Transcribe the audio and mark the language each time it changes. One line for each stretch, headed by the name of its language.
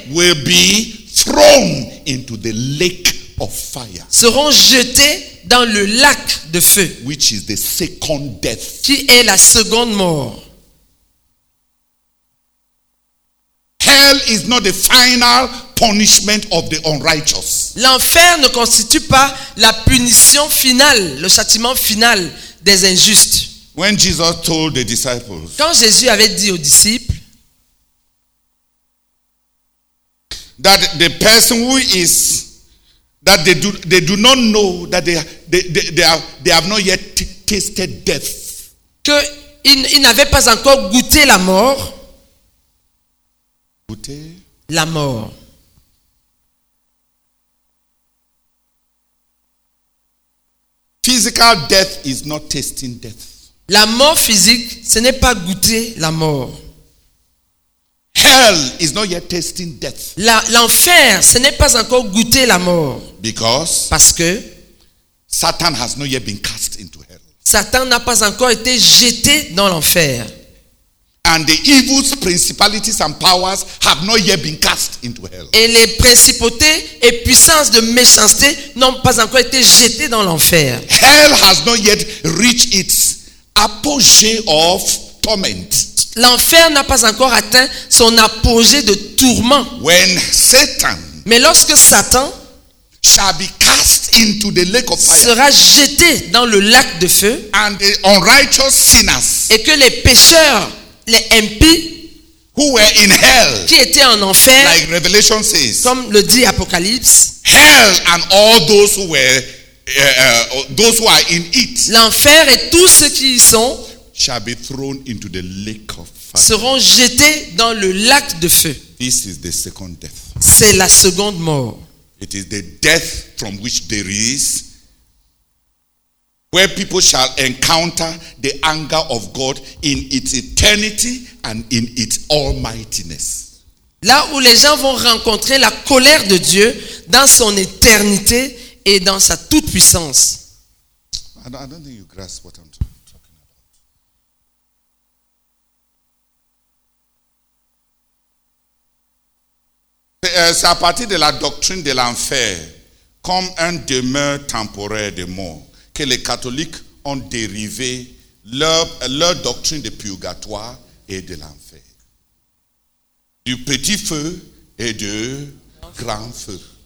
English: will be thrown into the lake of fire,
French: seront jetés dans le lac de feu,
English: which is the second death,
French: qui est la seconde mort.
English: Hell is not the final punishment of the unrighteous.
French: L'enfer ne constitue pas la punition finale, le châtiment final des injustes.
English: When Jesus told the disciples,
French: quand Jésus avait dit aux disciples
English: that the person who is that they do not know that they have not yet tasted death.
French: Que ils n'avaient pas encore goûté la mort. La mort.
English: Physical death is not tasting death.
French: La mort physique, ce n'est pas goûter la mort.
English: Hell is not yet tasting death.
French: L'enfer, ce n'est pas encore goûter la mort.
English: Because
French: parce que
English: Satan has not yet been cast into hell.
French: Satan n'a pas encore été jeté dans l'enfer.
English: And the evil principalities and powers have not yet been cast into hell.
French: Et les principautés et puissances de méchanceté n'ont pas encore été jetées dans l'enfer.
English: Hell has not yet reached its apogee of torment.
French: L'enfer n'a pas encore atteint son apogée de tourment.
English: When Satan,
French: mais lorsque Satan
English: shall be cast into the lake of fire,
French: sera jeté dans le lac de feu,
English: and the unrighteous sinners,
French: et que les pécheurs, les impies
English: who were in hell,
French: qui étaient en enfer,
English: like Revelation says,
French: comme le dit Apocalypse,
English: hell and all those who were those who are in it,
French: l'enfer et tous ceux qui y sont,
English: shall be thrown into the lake of fire,
French: seront jetés dans le lac de feu.
English: This is the second death.
French: C'est la seconde mort.
English: It is the death from which there is where people shall encounter the anger of God in its eternity and in its almightiness.
French: Là où les gens vont rencontrer la colère de Dieu dans son éternité et dans sa toute-puissance.
English: I don't think you grasp what I'm talking about.
French: C'est à partir de la doctrine de l'enfer comme un demeure temporaire de mort que les catholiques ont dérivé leur doctrine de purgatoire et de l'enfer. Du petit feu et du grand feu.